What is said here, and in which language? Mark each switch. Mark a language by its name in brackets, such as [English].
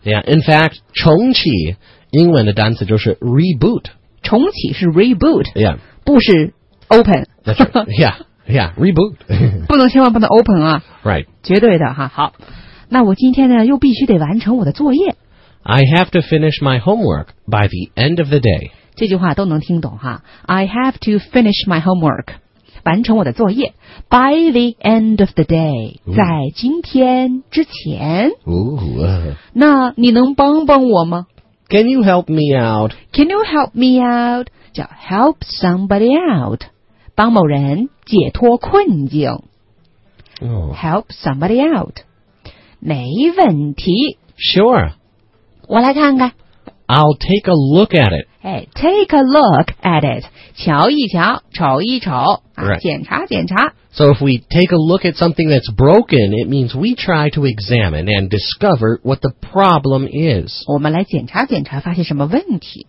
[English] Yeah. In fact, [Chinese] 重启英文的单词就是 reboot，重启是 reboot， [English] yeah， [Chinese] 不是 open， [English] that's right， yeah， yeah， reboot， [Chinese] 不能千万不能 open 啊， [English] right， [Chinese] 绝对的哈。好，那我今天呢又必须得完成我的作业。 [English] I have to finish my homework by the end of the day。 [Chinese] 这句话都能听懂哈。 [English] I have to finish my homework， [Chinese] 完成我的作业。 [English] By the end of the day， Ooh. [Chinese] 在今天之前。 Ooh. 那你能帮帮我吗？ [English] Can you help me out? Can you help me out? 叫 help somebody out， [Chinese] 帮某人解脱困境。 Oh. [English] Help somebody out， [Chinese] 没问题。 [English] Sure， [Chinese] 我来看看。 [English] I'll take a look at it。哎 ，take a look at it， [Chinese] 瞧一瞧，瞅一瞅， [English] right. [Chinese] 啊，检查检查。 [English] So if we take a look at something that's broken, it means we try to examine and discover what the problem is. [Chinese] 我们来检查检查发现什么问题。